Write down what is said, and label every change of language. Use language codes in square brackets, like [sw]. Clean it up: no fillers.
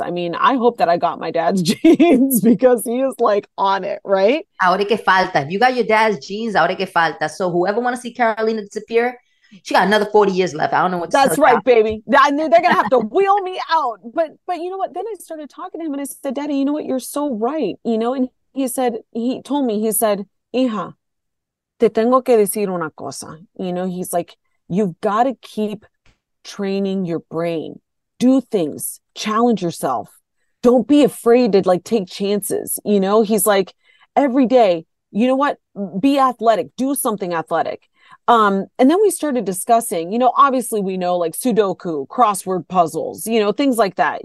[en] I mean, I hope that I got my dad's genes, because he is like on it, right? [es] Ahora que falta. [en] If you got your dad's genes, ahora que falta. So whoever want to see Carolina disappear, she got another 40 years left. I don't know what to say. That's right, baby. They're going to have to wheel me out. But you know what? Then I started talking to him and I said, Daddy, you know what? You're so right. You know? And he told me, [es] hija, te tengo que decir una cosa. [en] You know, he's like, you've got to keep training your brain. Do things. Challenge yourself. Don't be afraid to like take chances. You know, he's like, every day, you know what? Be athletic. Do something athletic. And then we started discussing, you know, obviously we know like Sudoku, crossword puzzles, you know, things like that.